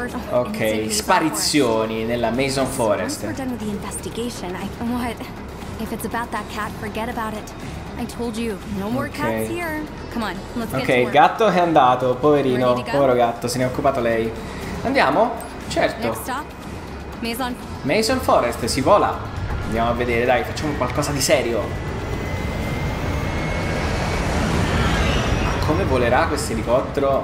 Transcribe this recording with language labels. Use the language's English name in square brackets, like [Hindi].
[Italian] Ok, sparizioni nella Mason Forest. [English] If it's about that cat, forget about it. I told you, no more cats here. Come on, let's go. [Italian] Ok, il gatto è andato, poverino. Povero gatto, se ne è occupato lei. Andiamo? Certo. [English] Next stop, Mason. [Italian] Mason Forest, si vola. Andiamo a vedere, dai, facciamo qualcosa di serio. Ma come volerà questo elicottero?